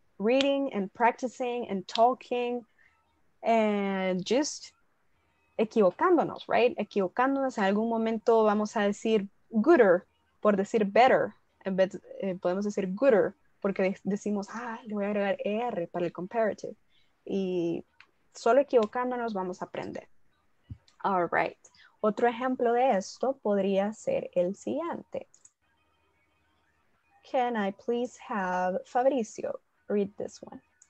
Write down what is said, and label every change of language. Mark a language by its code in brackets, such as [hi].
[en] Reading and practicing and talking and just equivocándonos, right? [es] Equivocándonos. En algún momento vamos a decir gooder por decir better. En vez de, podemos decir gooder porque decimos, ah, le voy a agregar ER para el comparative. Y solo equivocándonos vamos a aprender. [en] All right. [es] Otro ejemplo de esto podría ser el siguiente. [en] Can I please have Fabricio read this one?